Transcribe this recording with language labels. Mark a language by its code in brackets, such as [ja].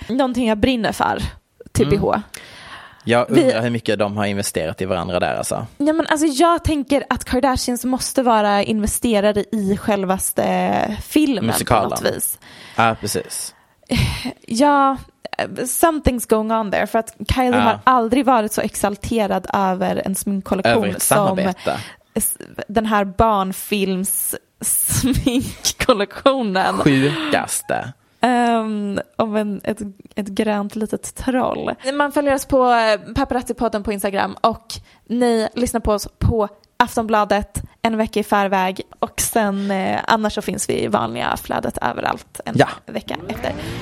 [sv] Någonting jag brinner för, TBH. Mm. Jag undrar hur mycket de har investerat i varandra där. Alltså. Ja, men alltså, jag tänker att Kardashians måste vara investerade i självaste filmen. Musikalen. På något vis. Ja, precis. [en] Ja, something's going on there. [sv] För att Kylie har aldrig varit så exalterad över en sminkkollektion som den här barnfilms sminkkollektionen. Sjukaste. Om ett grönt litet troll. Man följer oss på Paparazzi-podden på Instagram och ni lyssnar på oss på Aftonbladet en vecka i förväg, och sen annars så finns vi i vanliga flödet överallt en vecka efter.